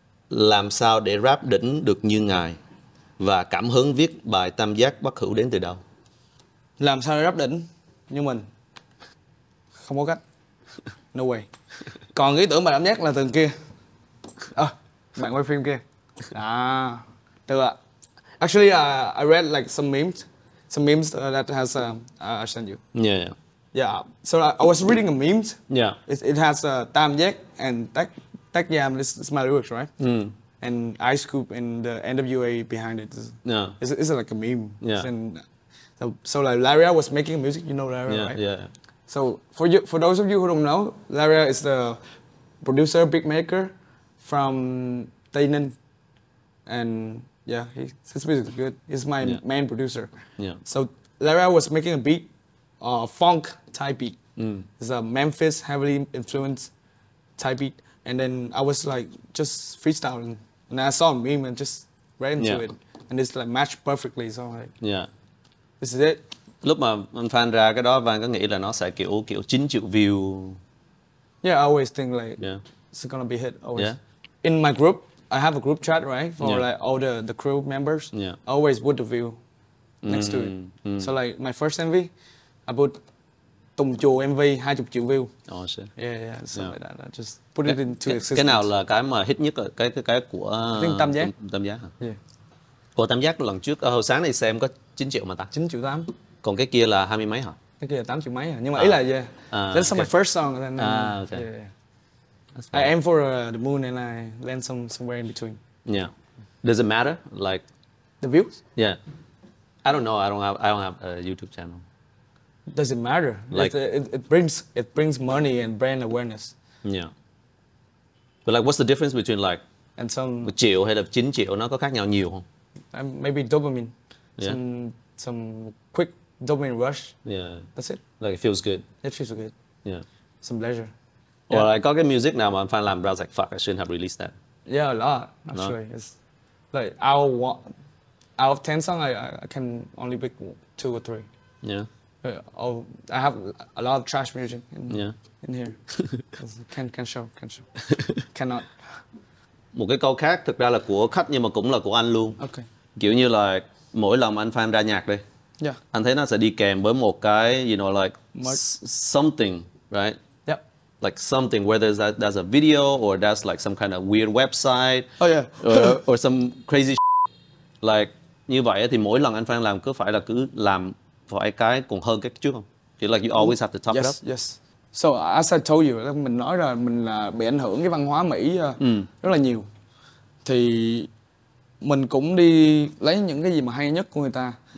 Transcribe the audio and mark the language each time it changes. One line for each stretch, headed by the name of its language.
Vietnamese: Làm sao để rap đỉnh được như ngài và cảm hứng viết bài Tam Giác Bất Hữu đến từ đâu? Làm sao để rap đỉnh như mình? Không có cách.
English: No way.
Vietnamese: Còn ý tưởng bài Tam Giác là từ kia. À, bạn quay phim kia. À, được ạ.
English: Actually, I read like some memes that has I sent you. Yeah, yeah. Yeah. So I was reading a meme. Yeah. It has Tam Giác and Tech. Tech Jam, it's my lyrics, right? Mm. And Ice Cube and the NWA behind it. Yeah. It's like a meme. Yeah. And so like Laria was making music, you know Laria, yeah, right? Yeah. So for those of you who don't know, Laria is the producer, beat maker from Tây Ninh. And yeah, his music is good. He's my main producer. Yeah. So Laria was making a beat, funk type beat. Mm. It's a Memphis heavily influenced type beat. And then I was like just freestyling and I saw a meme and just ran into it and it's like matched perfectly, so I'm like this is it.
Vietnamese: Lúc mà anh Phan ra cái đó, Phan có nghĩ là nó sẽ kiểu 9 triệu view?
English: Yeah, I always think like it's gonna be hit always. In my group, I have a group chat, right, for like all the crew members. Yeah, I always put the view next to it. So like my first MV, I put Tùng Chùa MV 20 triệu view. Oh shit. Yeah, yeah, something like that. I just put it into existence.
Vietnamese: Cái nào là cái mà hit nhất, cái của Tam Giác? Tam Giác hả?
English: Yeah.
Vietnamese: Của Tam Giác lần trước, hồi sáng này xem có 9 triệu mà ta? 9 triệu 8. Còn cái kia là 20 mấy hả? Cái kia là 8 triệu mấy hả? Nhưng mà ý là
English: that's my first song. And then, I aim for the moon and I land somewhere in between. Yeah. Does it matter? Like the views? Yeah. I don't know. I don't have a YouTube channel. Does it matter? Like it brings money and brand awareness. Yeah. But like, what's the difference between like and some
Vietnamese: 1 triệu hay là 9 triệu, nó có khác nhau nhiều không?
English: Maybe dopamine. Yeah. Some quick dopamine rush. Yeah. That's it. Like it feels good. It feels good. Yeah. Some pleasure. Or like,
Vietnamese: có cái music nào mà anh Phan làm ra
English: like, fuck, I shouldn't have released that. Yeah, a lot actually. No? It's like out of 10 songs, I can only pick 2 or 3. Yeah. Oh, I have a lot of trash music in here. Can show. Cannot.
Vietnamese: Một cái câu khác thực ra là của khách nhưng mà cũng là của anh luôn.
English: Okay.
Vietnamese: Kiểu như là mỗi lần anh Phan ra nhạc đi.
English: Yeah.
Vietnamese: Anh thấy nó sẽ đi kèm với một cái,
English: you know, like something, right? Yeah. Like something, whether that's a video or that's like some kind of weird website. Oh yeah. or some crazy shit.
Vietnamese: Like như vậy thì mỗi lần anh Phan làm cứ phải là cứ làm phải cái còn hơn cái trước không? Kiểu
English: like you always have to top it up. Yes. So as I told you,
Vietnamese: mình nói là mình là bị ảnh hưởng cái văn hóa Mỹ rất là nhiều. Thì mình cũng đi lấy những cái gì mà hay nhất của người ta.